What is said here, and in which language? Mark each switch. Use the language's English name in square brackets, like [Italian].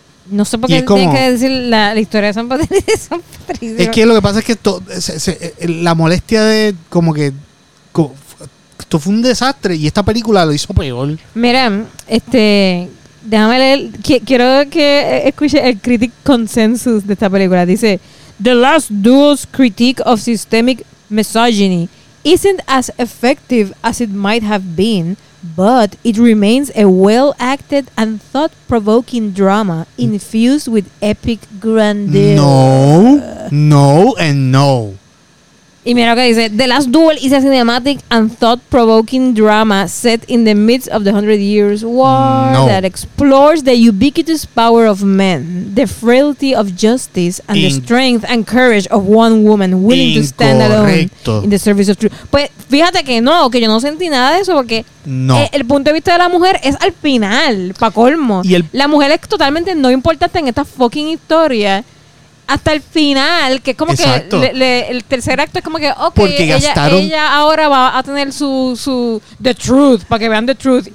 [Spanish] No sé por qué tienes que decir la historia de San Patricio. Es que lo que pasa es que la molestia de como que... Esto fue un desastre y esta película lo hizo peor. Mira, déjame leer. Quiero que escuche el critic consensus de esta película. [English] Dice: "The Last Duel's critique of systemic misogyny isn't as effective as it might have been, but it remains a well-acted and thought-provoking drama infused with epic grandeur." [Spanish] No. [English] Y mira lo que dice: "The Last Duel is a cinematic and thought-provoking drama set in the midst of the Hundred Years' War that explores the ubiquitous power of men, the frailty of justice, and the strength and courage of one woman willing to stand alone in the service of truth." [Spanish] Pues fíjate que no, que yo no sentí nada de eso, porque el punto de vista de la mujer es al final, pa' colmo. Y la mujer es totalmente no importante en esta fucking historia. Hasta el final, que es como el tercer acto es como que, ella ahora va a tener su [English] the truth, [Spanish] para que vean the truth.